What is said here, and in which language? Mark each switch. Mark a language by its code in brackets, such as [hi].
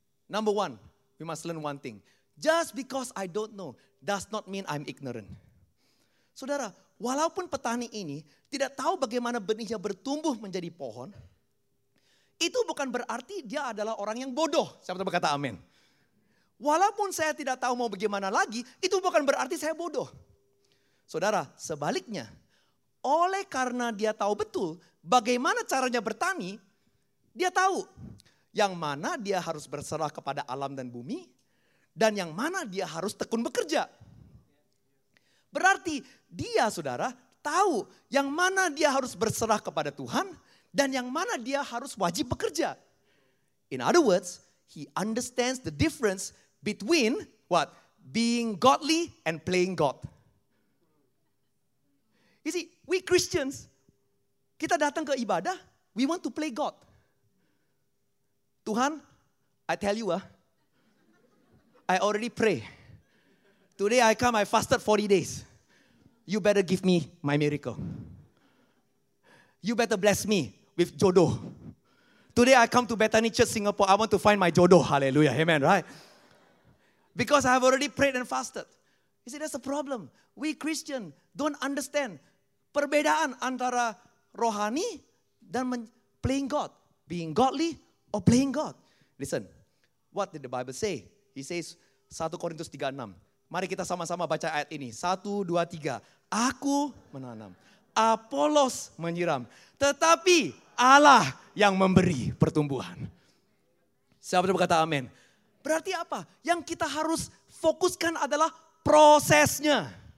[en] Number one, we must learn one thing. Just because I don't know, does not mean I'm ignorant. [id] Saudara, walaupun petani ini tidak tahu bagaimana benihnya bertumbuh menjadi pohon, itu bukan berarti dia adalah orang yang bodoh. Siapa berkata amin? Walaupun saya tidak tahu mau bagaimana lagi, itu bukan berarti saya bodoh. Saudara, sebaliknya, oleh karena dia tahu betul bagaimana caranya bertani, dia tahu yang mana dia harus berserah kepada alam dan bumi, dan yang mana dia harus tekun bekerja. Berarti dia, saudara, tahu yang mana dia harus berserah kepada Tuhan, dan yang mana dia harus wajib bekerja. [en] In other words, he understands the difference between what? Being godly and playing God. You see, we Christians, [id] kita datang ke ibadah, [en] we want to play God. Tuhan, I tell you, I already pray. Today I come, I fasted 40 days. You better give me my miracle. You better bless me with jodoh. Today I come to Bethany Church Singapore, I want to find my jodoh. Hallelujah, amen, right? Because I have already prayed and fasted. You see, that's the problem. We Christian don't understand [id] perbedaan antara rohani dan [en] playing God. Being godly or playing God. Listen, what did the Bible say? He says, [id] 1 Korintus 3:6. Mari kita sama-sama baca ayat ini. 1, 2, 3. Aku menanam, Apolos menyiram, tetapi Allah yang memberi pertumbuhan. Siapa yang berkata amin? Berarti apa? Yang kita harus fokuskan adalah prosesnya.